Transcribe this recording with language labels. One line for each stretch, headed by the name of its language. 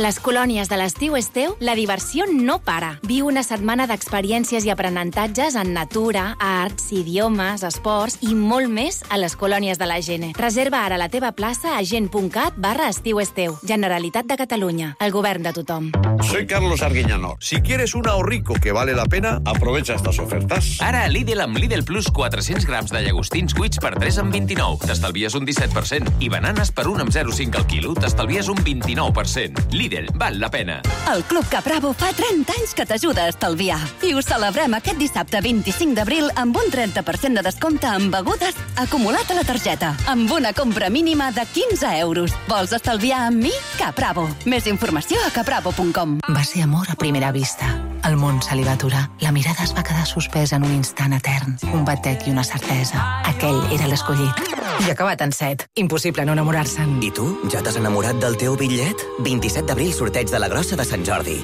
Catalan: A les colònies de l'estiu és teu, la diversió no para. Viu una setmana d'experiències i aprenentatges en natura, arts, idiomes, esports i molt més a les colònies de la Gene. Reserva ara la teva plaça a gent.cat/estiuesteu. Generalitat de Catalunya. El govern de tothom.
Spanish: Soy Carlos Arguiñano. Si quieres un ahorrico que vale la pena, aprovecha estas ofertas.
Catalan: Ara a Lidl amb Lidl Plus 400 grams de llagostins cuits per 3,29. T'estalvies un 17%. I bananes per 1,05 al quilo. T'estalvies un 29%. Lidl, val la pena. El Club Capravo fa 30 anys que t'ajuda a estalviar. I ho celebrem aquest dissabte 25 d'abril amb un 30% de descompte en begudes acumulat a la targeta. Amb una compra mínima de 15 euros. Vols estalviar amb mi? Capravo. Més informació a capravo.com. Va ser amor a primera vista. El món se li va aturar. La mirada es va quedar suspès en un instant etern. Un batec i una certesa. Aquell era l'escollit. I acabat en set. Impossible no enamorar-se'n. I tu, ja t'has enamorat del teu bitllet? 27 d'abril, sorteig de la grossa de Sant Jordi.